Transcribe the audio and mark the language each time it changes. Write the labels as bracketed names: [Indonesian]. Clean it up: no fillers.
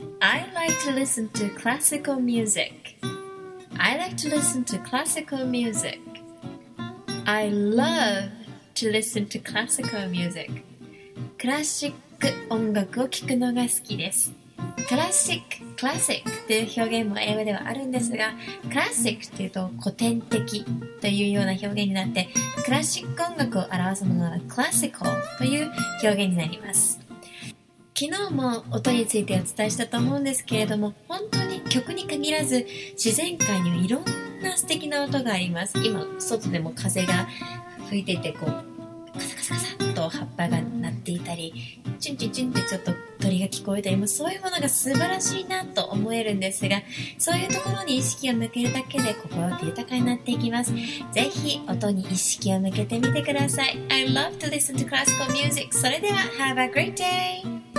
[English] I like to listen to classical music. I like to listen to classical music. I love to listen to classical music. [Japanese] クラシック音楽を聴くのが好きです。クラシック、クラシックという表現も英語ではあるんですが、クラシックというと古典的というような表現になって、クラシック音楽を表すものはクラシカルという表現になります。昨日も音についてお伝えしたと思うんですけれども、本当に曲に限らず自然界にはいろんな素敵な音があります。今外でも風が吹いていて、こうカサカサカサッと葉っぱが鳴っていたり、チュンチュンチュンってちょっと鳥が聞こえたり、もうそういうものが素晴らしいなと思えるんですが、そういうところに意識を向けるだけで心って豊かになっていきます。ぜひ音に意識を向けてみてください。 [English] I love to listen to classical music. [Japanese] それでは [English] Have a great day!